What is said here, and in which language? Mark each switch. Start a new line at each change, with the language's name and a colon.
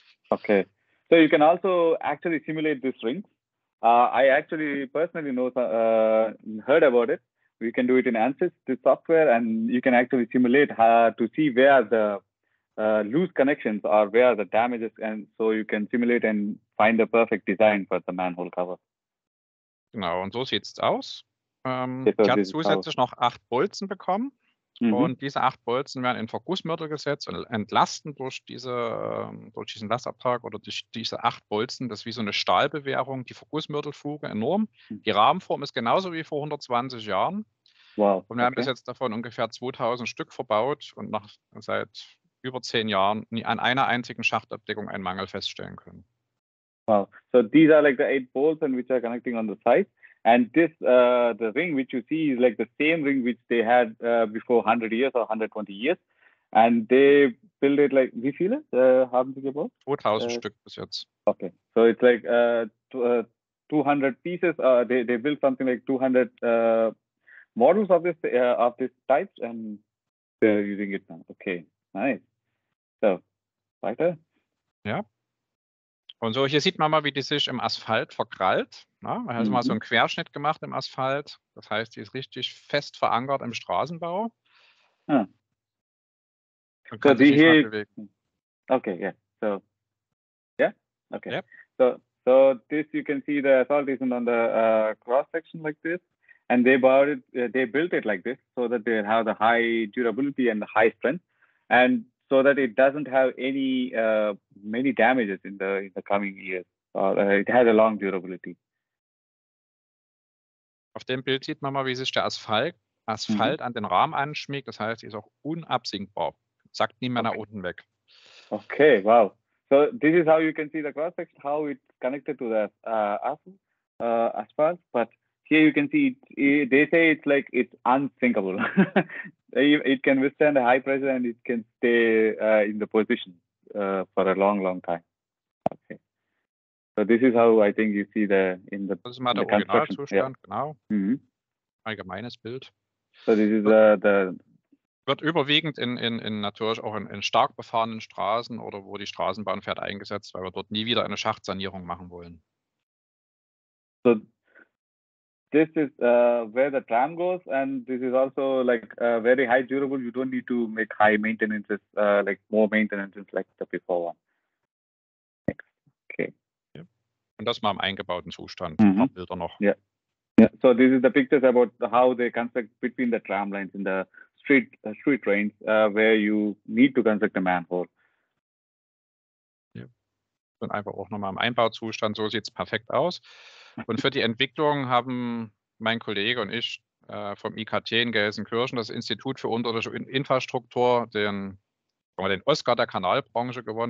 English: Okay. So you can also actually simulate this ring. I actually personally know heard about it. We can do it in ANSYS, this software, and you can actually simulate to see where the loose connections or where the damages, and so you can simulate and find the perfect design for the manhole cover.
German: Genau, und so sieht's aus. Ich habe zusätzlich noch 8 Bolzen bekommen mhm. und diese 8 Bolzen werden in Vergussmörtel gesetzt und entlasten durch diesen Lastabtrag oder durch diese 8 Bolzen, das ist wie so eine Stahlbewehrung, die Vergussmörtelfuge enorm. Die Rahmenform ist genauso wie vor 120 Jahren.
English: Wow.
German: Und wir haben bis jetzt davon ungefähr 2000 Stück verbaut und seit über 10 Jahren nie an einer einzigen Schachtabdeckung einen Mangel feststellen können.
English: Wow, so these are like the 8 bolts and which are connecting on the side. And this, the ring which you see is like the same ring which they had before 100 years or 120 years. And they built it like,
German: wie viele haben sie gebaut? 2000 Stück bis jetzt.
English: Okay, so it's like 200 pieces. They built something like 200 models of this types, and they're using it now. Okay, nice. So, weiter.
German: Ja. Und so, hier sieht man mal, wie die sich im Asphalt verkrallt. Na, man hat mal so einen Querschnitt gemacht im Asphalt. Das heißt, die ist richtig fest verankert im Straßenbau. Man kann sich nicht mehr bewegen. Okay, yeah.
English: So, yeah? Okay. Yep. So this you can see the asphalt isn't on the cross-section like this. And they built it like this, so that they have the high durability and the high strength. And so that it doesn't have any many damages in the coming years. It has a long durability.
German: Auf dem Bild sieht man mal, wie sich der Asphalt an den Rahmen anschmiegt. Das heißt, sie ist auch unabsinkbar. Sagt niemand nach unten weg.
English: Okay, wow. So this is how you can see the cross section, how it's connected to the asphalt. But here you can see they say it's like it's unsinkable. It can withstand a high pressure and it can stay in the position for a long, long time. Okay. So this is how I think you see in the
German: construction. Das ist mal der Originalzustand, genau. Mm-hmm. Allgemeines Bild.
English: So this is the
German: wird überwiegend in natürlich auch in stark befahrenen Straßen oder wo die Straßenbahn fährt eingesetzt, weil wir dort nie wieder eine Schachtsanierung machen wollen.
English: So this is where the tram goes, and this is also like very high durable. You don't need to make high maintenance, like more maintenance like the before one. Okay.
German: Yep. Und das mal im eingebauten Zustand. Mm-hmm. Ein paar Bilder noch.
English: Yeah. Yeah. So this is the pictures about how they construct between the tram lines in the street trains, where you need to construct a manhole. Yep.
German: Und einfach auch nochmal im Einbauzustand. So sieht es perfekt aus. Und für die Entwicklung haben mein Kollege und ich vom IKT in Gelsenkirchen, das Institut für unterirdische Infrastruktur, den Oscar der Kanalbranche gewonnen.